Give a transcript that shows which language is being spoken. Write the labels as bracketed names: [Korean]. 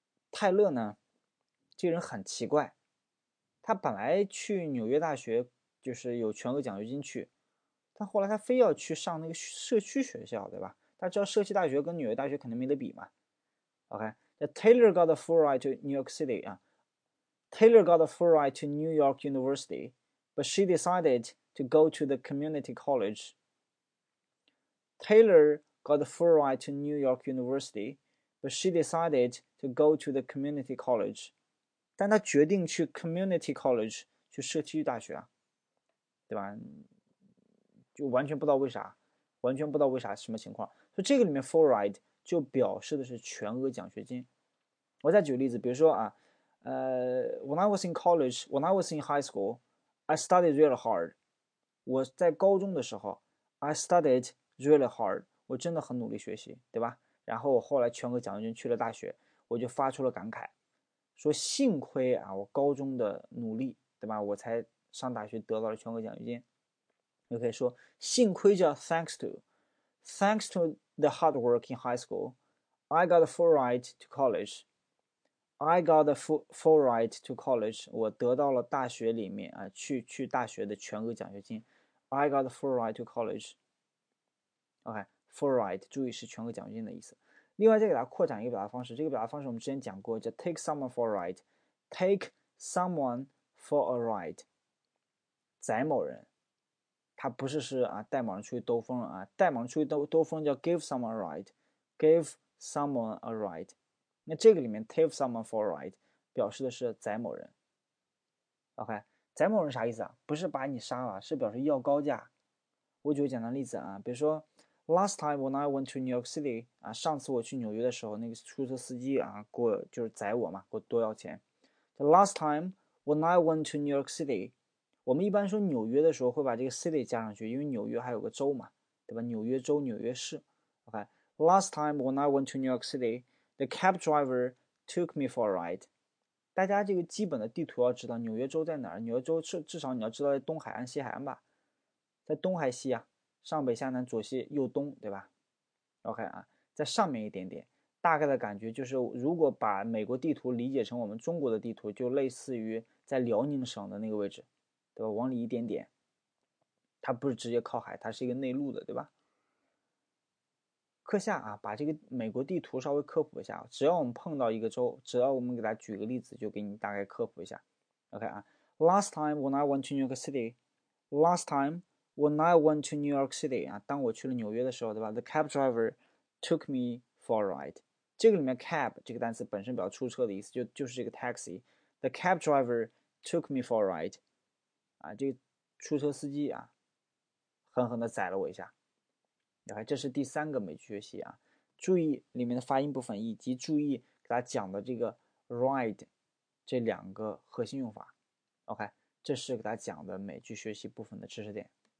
[Chinese] 泰勒呢，这个人很奇怪，他本来去纽约大学就是有全额奖学金去，但后来他非要去上那个社区学校，对吧？他知道社区大学跟纽约大学肯定没得比嘛。 [English] OK， Taylor got a full ride to New York City、Taylor got a full ride to New York University， but she decided to go to the community college。 Taylor got a full ride to New York UniversityBut she decided to go to the community college， [Chinese] 但她决定去 [English] community college， [Chinese] 去社区大学，对吧？就完全不知道为啥，完全不知道为啥什么情况。所以这个里面 full ride 就表示的是全额奖学金。我再举个例子，比如说啊， [English] when I was in college， when I was in high school， I studied really hard。 [Chinese] 我在高中的时候， [English] I studied really hard， [Chinese] 我真的很努力学习，对吧？然后我后来全额奖学金去了大学，我就发出了感慨，说幸亏啊，我高中的努力，对吧？我才上大学得到了全额奖学金。你可以说幸亏叫 [English] thanks to the hard work in high school， I got a full ride to college， I got a full ride to college， [Chinese] 我得到了大学里面啊去大学的全额奖学金， [English] I got a full ride to college。 OK。 [Chinese] Full ride， 注意是全额奖学金的意思。另外再给大家扩展一个表达方式，这个表达方式我们之前讲过，叫 [English] take someone for a ride。 take someone for a ride， [Chinese] 载某人，他不是是啊带某人出去兜风啊，带某人出去 兜风叫 [English] give someone a ride， give someone a ride。 [Chinese] 那这个里面 take someone for a ride 表示的是载某人。 OK， 载某人啥意思啊？不是把你杀了，是表示要高价。我举个简单例子啊，比如说 [English] Last time when I went to New York City， [Chinese] 啊，上次我去纽约的时候，那个出租车司机啊，就是载我嘛，给我多要钱。 [English] The last time when I went to New York City， [Chinese] 我们一般说纽约的时候会把这个 city 加上去，因为纽约还有个州嘛，对吧？纽约州、纽约市。 [English] OK， last time when I went to New York City， the cab driver took me for a ride。 [Chinese] 大家这个基本的地图要知道，纽约州在哪儿？纽约州至少你要知道在东海岸、西海岸吧，在东还西啊。上北下南左西右东，对吧 ？OK 啊，在上面一点点，大概的感觉就是，如果把美国地图理解成我们中国的地图，就类似于在辽宁省的那个位置，对吧？往里一点点，它不是直接靠海，它是一个内陆的，对吧？课下啊，把这个美国地图稍微科普一下。只要我们碰到一个州，只要我们给它举个例子，就给你大概科普一下。 [English] OK 啊，Last time when I went to New York City, last time when I went to New York City [Chinese] 啊，当我去了纽约的时候，对吧？ [English] The cab driver took me for a ride。 [Chinese] 这个里面 cab 这个单词本身表出车的意思，就是这个 taxi。 [English] The cab driver took me for a ride。 [Chinese] 啊，这个出租车司机啊，狠狠地宰了我一下。然后这是第三个美句学习啊，注意里面的发音部分，以及注意给大家讲的这个 ride 这两个核心用法。OK，这是给大家讲的美句学习部分的知识点。